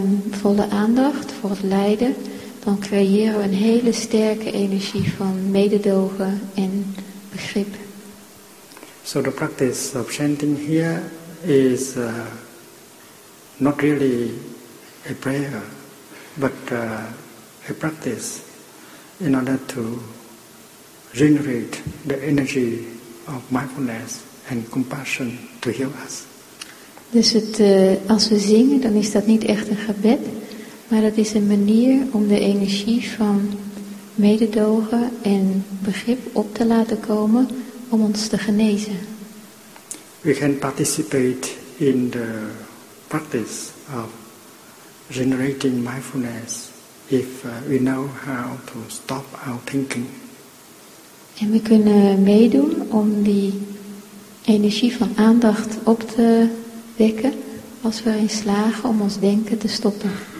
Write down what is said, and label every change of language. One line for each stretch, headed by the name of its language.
Dutch: volle aandacht voor het lijden, dan creëren we een hele sterke energie van mededogen en begrip.
English: So the practice of chanting here is not really a prayer, but a practice in order to generate the energy of mindfulness and compassion to heal us.
Dutch: Dus het, als we zingen, dan is dat niet echt een gebed, maar dat is een manier om de energie van mededogen en begrip op te laten komen om ons te genezen.
English: We can participate in the practice of generating mindfulness if we know how to stop our thinking.
Dutch: En we kunnen meedoen om die energie van aandacht op te wekken als we erin slagen om ons denken te stoppen.